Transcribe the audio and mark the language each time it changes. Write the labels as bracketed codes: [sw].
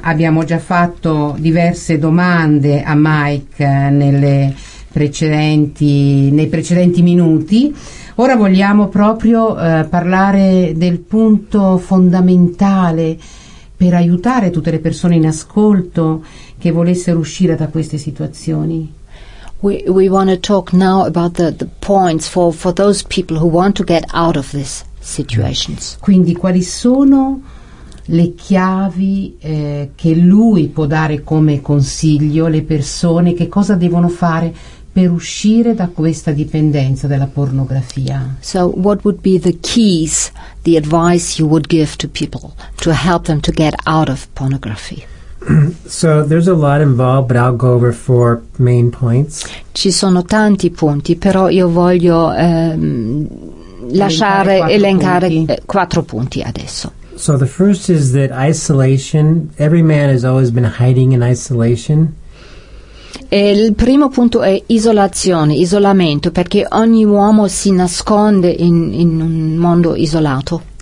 [it] Abbiamo già fatto diverse domande a Mike nei precedenti minuti. Ora vogliamo proprio parlare del punto fondamentale per aiutare tutte le persone in ascolto che volessero uscire da queste situazioni. [en] We want to talk now about the points for those people who want to get out of this situations. [it] Quindi quali sono le chiavi che lui può dare come consiglio alle persone, che cosa devono fare per uscire da questa dipendenza della pornografia? [en] So what would be the keys, the advice you would give to people to help them to get out of pornography? So there's a lot involved, but I'll go over four main points. Ci sono tanti punti, però io voglio elencare quattro punti adesso. So the first is that isolation. Every man has always been hiding in isolation. [it] E il primo punto è isolazione, isolamento, perché ogni uomo si nasconde in un mondo isolato.